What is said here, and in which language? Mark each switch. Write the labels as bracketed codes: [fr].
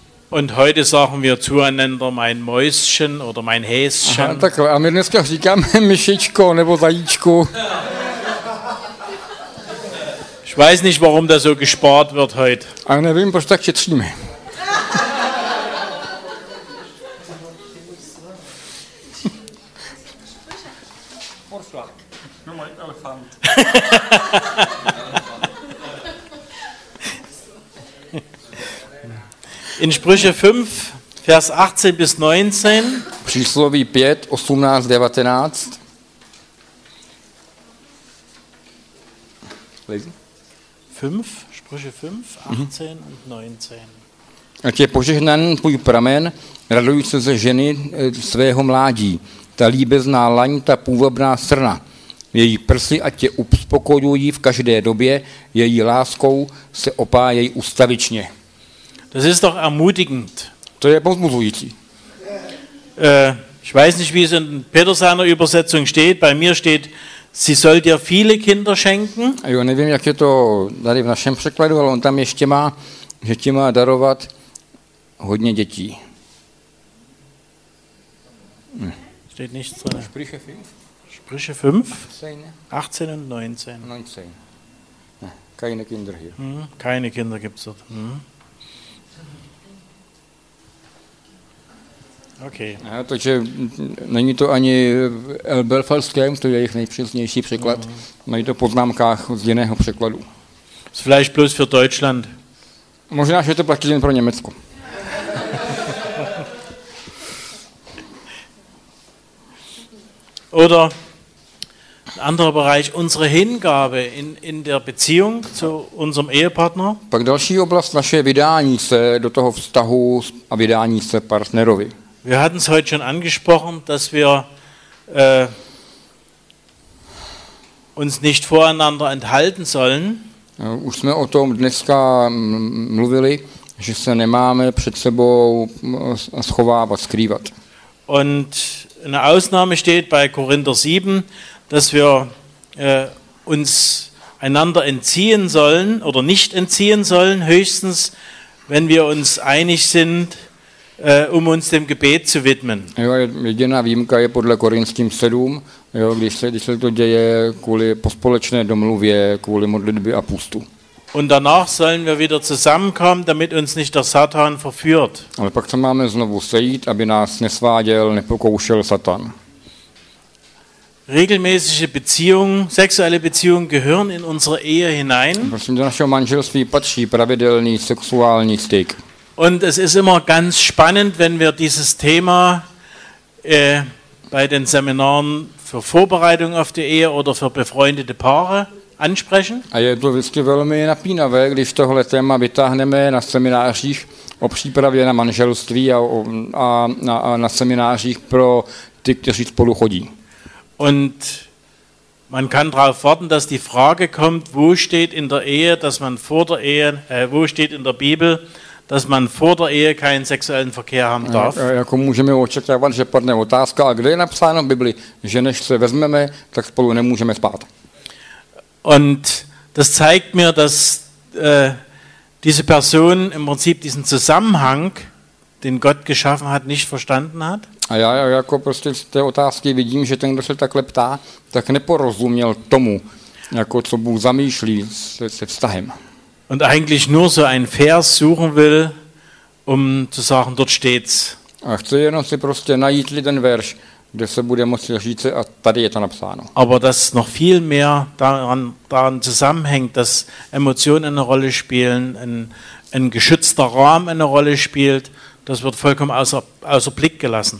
[de] Und heute sagen wir zueinander mein Mäuschen oder mein Häschen. [cs] Aha, takhle, a my dneska říkáme myšičko nebo zajíčku. [de] Ich weiß nicht, warum das so gespart wird heute. [cs] A nevím, proč tak četříme. [de] In Sprüche 5, Vers 18 bis 19. [cs] Přísloví 5, 18, 19. [de] Lesen. 5, Sprüche 5, 18 und 19. [cs] Ať je požehnan tvůj pramen, raduj se ze ženy svého mládí, ta líbezná laň, ta půvabná srna. Její prsy, ať tě uspokojují v každé době, její láskou se opájejí ustavičně. [de] Das ist doch ermutigend. [cs] To je povzbuzující. [de] Ich weiß nicht, wie es in Petersaner Übersetzung steht. Bei mir steht, sie soll dir viele Kinder schenken. [cs] Jo, nevím, jak je to tady v našem překladu, ale on tam ještě má, že ti má darovat hodně dětí. [de] Steht nichts drin. Sprüche 5, 18 und 19. 19. Keine Kinder hier. Keine Kinder gibt es dort. Okay. [cs] Ja, takže není to ani v Elberfelském, to je jejich nejpřesnější překlad, mají to poznámkách z jiného překladu. [de] Vielleicht bloß für Deutschland. [cs] Možná, že to platí jen pro Německo. [de] Oder anderer Bereich, unsere Hingabe in der Beziehung zu unserem Ehepartner. [cs] Pak další oblast, naše vydání se do toho vztahu a vydání se partnerovi. [de] Wir hatten es heute schon angesprochen, dass wir uns nicht voreinander enthalten sollen. [cs] Už jsme o tom dneska mluvili, že se nemáme před sebou schovávat, skrývat. [de] Und eine Ausnahme steht bei Korinther 7, dass wir uns einander entziehen sollen oder nicht entziehen sollen, höchstens wenn wir uns einig sind, um uns dem Gebet zu widmen. [cs] Jo, jediná výjimka je podle Korinským 7, jo, když se to děje kvůli pospolečné domluvě, kvůli modlitbě a půstu. [de] Und danach sollen wir wieder zusammenkommen, damit uns nicht der Satan verführt. [cs] Ale pak se máme znovu sejít, aby nás nesváděl, nepokoušel Satan. [de] Regelmäßige Beziehungen, sexuelle Beziehungen gehören in unsere Ehe hinein. [cs] Prosím, do našeho manželství patří pravidelný sexuální styk. [de] Und es ist immer ganz spannend, wenn wir dieses Thema bei den Seminaren für Vorbereitung auf die Ehe oder für befreundete Paare ansprechen. [cs] A je to vždycky velmi napínavé, když tohle téma vytáhneme na seminářích o přípravě na manželství a na seminářích pro ty, kteří spolu chodí. [de] Und man kann darauf warten, dass die Frage kommt, wo steht in der Ehe, dass man vor der Ehe, wo steht in der Bibel, dass man vor der Ehe keinen sexuellen Verkehr haben darf. [cs] Jako můžeme očekávat, že padne otázka, a kde je napsáno v Bibli, že než se vezmeme, tak spolu nemůžeme spát. [de] Und das zeigt mir, dass diese Person im Prinzip diesen Zusammenhang, den Gott geschaffen hat, nicht verstanden hat. [cs] A já jako prostě z té otázky vidím, že ten, kdo se takhle ptá, tak neporozuměl tomu, jako co Bůh zamýšlí se vztahem. [de] Und eigentlich nur so ein Vers suchen will, um zu sagen, dort steht's. [cs] A chce jenom si prostě najít ten verš, kde se bude moci říct, a tady je to napsáno. [de] Aber das noch viel mehr daran zusammenhängt, dass Emotionen eine Rolle spielen, ein geschützter Rahmen eine Rolle spielt, das wird vollkommen außer Blick gelassen.